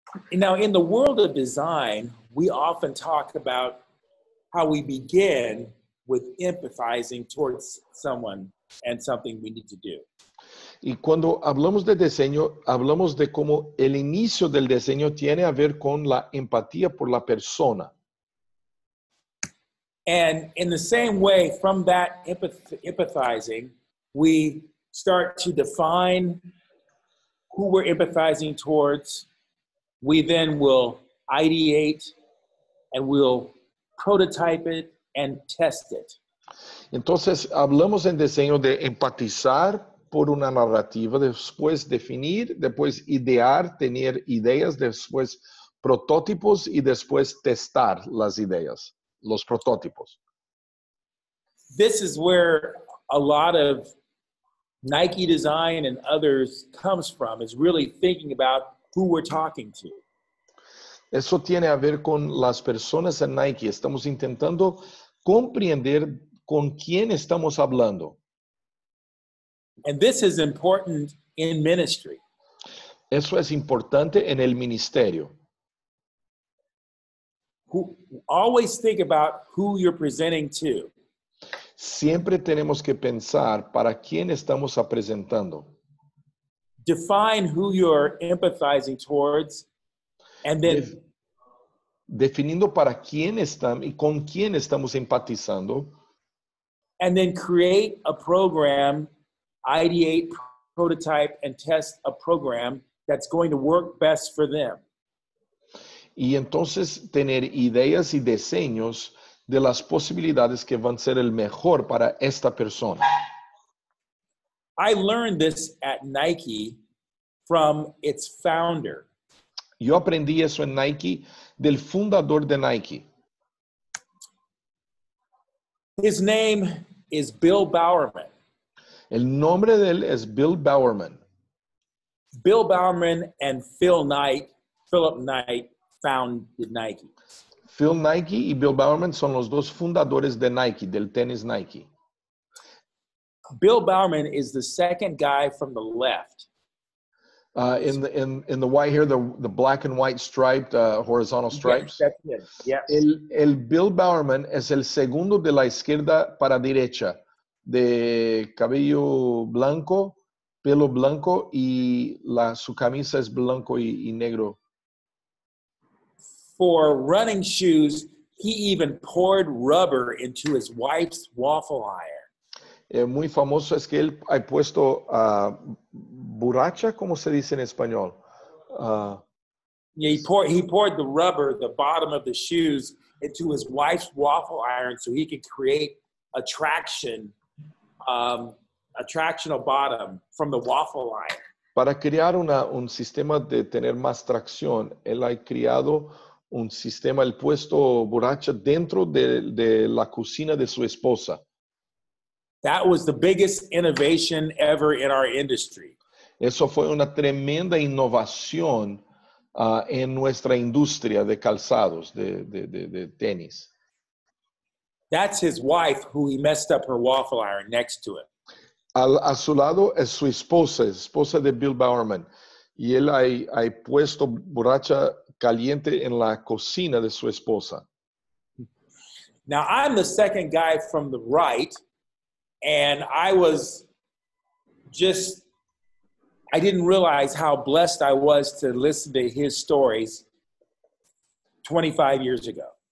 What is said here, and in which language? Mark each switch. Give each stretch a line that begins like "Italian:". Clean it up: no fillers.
English: Now, in the world of design, we often talk about how we begin with empathizing towards someone and something we need to do.
Spanish: Y cuando hablamos de diseño, hablamos de cómo el inicio del diseño tiene a ver con la empatía por la persona.
English: And in the same way, from that empathizing, we start to define who we're empathizing towards. We then will ideate and we'll prototype it and test it.
Spanish: Entonces, hablamos en diseño de empatizar por una narrativa, después definir, después idear, tener ideas, después prototipos y después testar las ideas, los prototipos.
English: This is where a lot of Nike design and others comes from, is really thinking about who we're talking to.
Spanish: Eso tiene a ver con las personas en Nike. Estamos intentando comprender con quién estamos hablando.
English: And this is important in ministry.
Spanish: Eso es importante en el ministerio.
English: Always think about who you're presenting to.
Spanish: Siempre tenemos que pensar para quién estamos presentando.
English: Define who you're empathizing towards, and then
Spanish: definiendo para quién estamos y con quién estamos empatizando.
English: And then create a program. Ideate, prototype, and test a program that's going to work best for them.
Spanish: Y entonces tener ideas y diseños de las posibilidades que van a ser el mejor para esta persona.
English: I learned this at Nike from its founder.
Spanish: Yo aprendí eso en Nike del fundador de Nike.
English: His name is Bill Bowerman.
Spanish: El nombre de él es Bill Bowerman.
English: Bill Bowerman and Philip Knight founded Nike.
Spanish: Phil Knight y Bill Bowerman son los dos fundadores de Nike, del tenis Nike.
English: Bill Bowerman is the second guy from the left. In the white here, the black and white striped, horizontal stripes. Yes, that's it. Yes.
Spanish: El Bill Bowerman es el segundo de la izquierda para derecha. De cabello blanco, pelo blanco, y su camisa es blanco y negro.
English: For running shoes, he even poured rubber into his wife's waffle iron.
Spanish: Muy famoso es que él ha puesto borracha, ¿cómo se dice en español?
English: He poured the rubber, the bottom of the shoes, into his wife's waffle iron so he could create attraction. Attractional bottom from the waffle iron.
Spanish: Para crear un sistema de tener más tracción, él ha creado un sistema, el puesto borracha dentro de la cocina de su esposa.
English: That was the biggest innovation ever in our industry.
Spanish: Eso fue una tremenda innovación en nuestra industria de calzados, de tenis.
English: That's his wife who he messed up her waffle iron next to him.
Spanish: A su lado es su esposa, esposa de Bill Bowerman. Y él ha puesto borracha caliente en la cocina de su esposa.
English: Now, I'm the second guy from the right, and I didn't realize how blessed I was to listen to his stories 25 years ago.